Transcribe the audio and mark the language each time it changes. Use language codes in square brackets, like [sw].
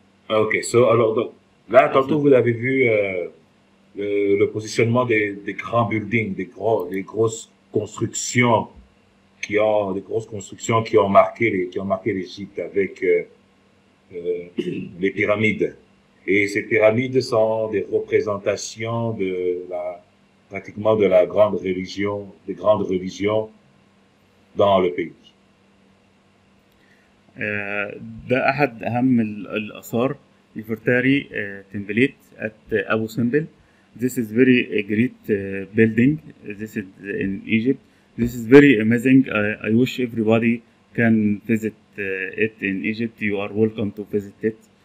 [en] Okay, so [fr] alors donc, là tantôt vous avez vu le positionnement des grands buildings, des grosses constructions qui ont marqué l'Égypte, avec les pyramides. Et ces pyramides sont des représentations de la grande religion, des grandes religions dans le pays. [ar] ده احد اهم الاثار. [en] الفرتاري temple at Abu Simbel. This is very great building. This is in Egypt. This is very amazing. I wish everybody can visit it in Egypt. You are welcome to visit it.